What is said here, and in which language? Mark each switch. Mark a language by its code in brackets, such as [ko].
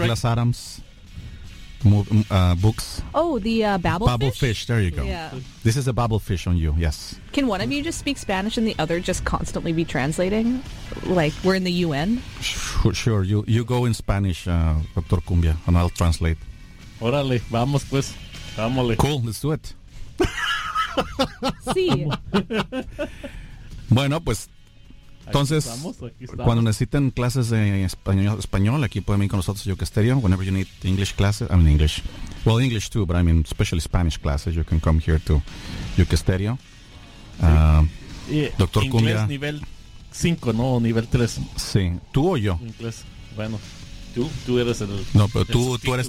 [en] Douglas Adams books? Oh, the babble fish? Fish, there you go. Yeah. This is a babble fish on you, yes. Can one of you just speak Spanish and the other just constantly be translating? Like, we're in the UN? Sure, you go in Spanish, Dr. Cumbia, and I'll translate. [es] Órale, vamos pues, vámosle. [en] Cool, let's do it. [es] Sí. Bueno, pues, entonces, aquí estamos. Cuando necesiten clases de español, aquí pueden venir con nosotros a Yuca Stereo. [en] Whenever you need English classes, English too, but I mean especially Spanish classes, you can come here to Yuca Stereo. [es] Doctor Cumbia. Inglés nivel 5, ¿no? Nivel 3. Sí, ¿tú o yo? Inglés, bueno. Tú eres